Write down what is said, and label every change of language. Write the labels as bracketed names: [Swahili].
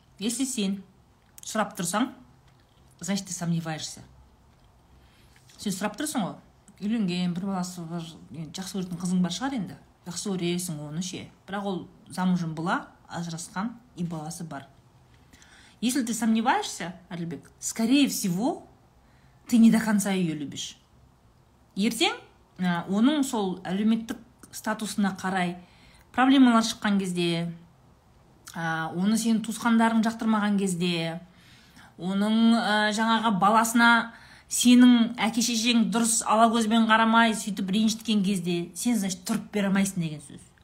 [Russian] Если сен сұрап тұрсаң, значит, ты сомневаешься. [Kazakh] Сен сұрап тұрсың о, үйленген бір баласы бар, жақсы көретін қызың бар шығар енді. Жақсы өресің оны ше, бірақ ол замужем бола, ажырасқан и баласы бар. [Russian] Если ты сомневаешься, Арлыбек, скорее всего, ты не до конца ее любишь. [Kazakh] Ертең оның сол әлеуметтік статусына қарай проблемалар шыққан кезде, оны сенің туысқандарың жақтырмаған кезде, оның жаңағы баласына сенің әке-шешең дұрыс ала көзбен қарамай, сөйтіп ренжіткен кезде, сен значит тұрып бере алмайсың деген сөз.